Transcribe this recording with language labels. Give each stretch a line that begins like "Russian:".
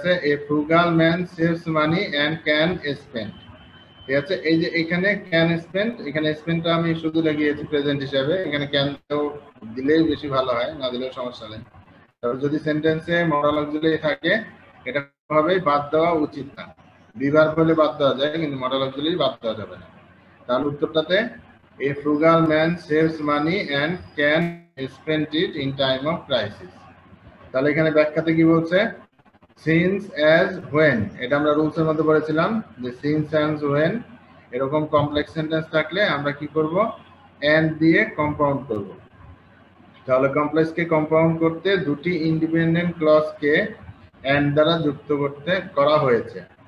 English: A frugal man saves money and can spend.
Bangla: এখানে can spend, এখানে spend আমি শুধু লাগিয়েছি present হিসাবে, এখানে can দিলে বেশি ভালো হয়, না দিলে সমস্যা নেই। তবে যদি sentence এ moral auxiliary থাকে, এটা ভাবে বাদ দেওয়া উচিত না। Verb হলে বাদ দেওয়া যায়, কিন্তু moral auxiliary বাদ দেওয়া যাবে না। তাহলে উত্তরটাতে
English: a frugal man saves money and can spend it in time of crisis.
Bangla: তাহলে এখানে ব্যাখ্যাতে কি বলছে? Since, as, when. এটা আমরা rules এর মধ্যে বলেছিলাম যে since, as, when এরকম complex sentence থাকলে আমরা কি করব? And দিয়ে compound করব। তাহলে complex কে compound করতে দুটি independent clause কে and দ্বারা যুক্ত করতে করা হয়েছে।